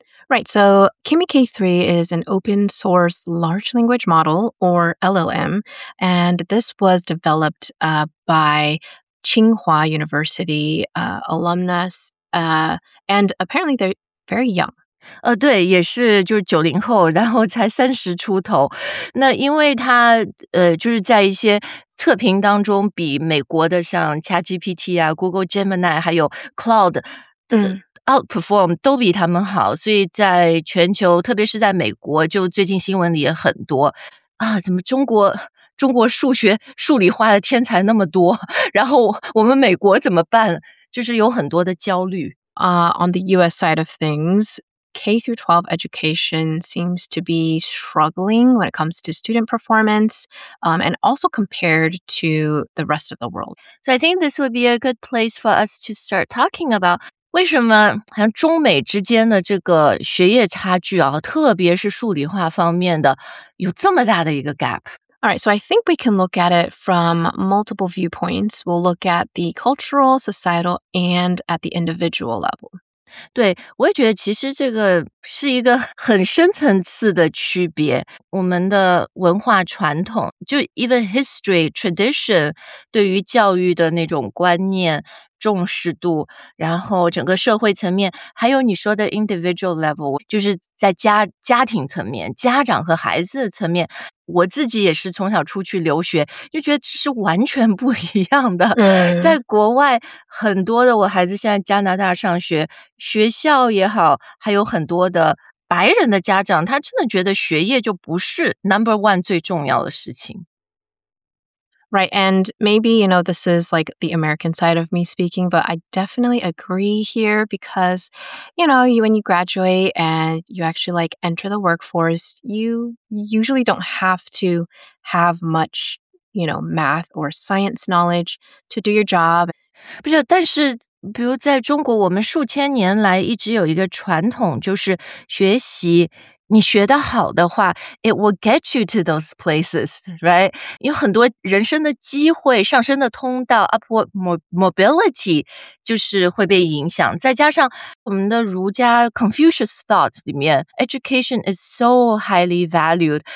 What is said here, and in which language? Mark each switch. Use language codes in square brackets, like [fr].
[en] Right, so Kimi K3 is an open source large language model, or LLM, and this was developed by... Tsinghua University alumnus, and apparently they're very young. [zh] 对，也是就是90后，然后才30出头。那因为他就是在一些测评当中比美国的像 ChatGPT 啊、Google Gemini 还有 Claude 的outperform 都比他们好，所以在全球，特别是在美国，就最近新闻里也很多啊，怎么中国数学数理化的天才那么多，然后我们美国怎么办？就是有很多的焦虑。 [en] On the US side of things, K through 12 education seems to be struggling when it comes to student performance, and also compared to the rest of the world. So I think this would be a good place for us to start talking about. [zh] 为什么好像中美之间的这个学业差距啊，特别是数理化方面的，有这么大的一个 gap？ [en] All right, so I think we can look at it from multiple viewpoints. We'll look at the cultural, societal, and at the individual level. [zh] 对，我也觉得其实这个是一个很深层次的区别。我们的文化传统，就 [en] even history, tradition, [zh] 对于教育的那种观念重视度，然后整个社会层面，还有你说的 [en] individual level, [zh] 就是在家庭层面，家长和孩子的层面，我自己也是从小出去留学，就觉得是完全不一样的。嗯，在国外很多的我孩子现在加拿大上学，学校也好，还有很多的白人的家长，他真的觉得学业就不是 [en] number one [zh] 最重要的事情。 [en] Right, and maybe, you know, this is like the American side of me speaking, but I definitely agree here because, you know, you, when you graduate and you actually like enter the workforce, you usually don't have to have much, you know, math or science knowledge to do your job. [zh] 不是，但是比如在中国，我们数千年来一直有一个传统，就是学习。你学得好的话 [en] ，it will get you to those places, right? [zh] 有很多人生的机会、上升的通道 ， [en] upward mobility [zh] 就是会被影响。再加上我们的儒家 [en] Confucius thought [zh] 里面 [en] ，education is so highly valued.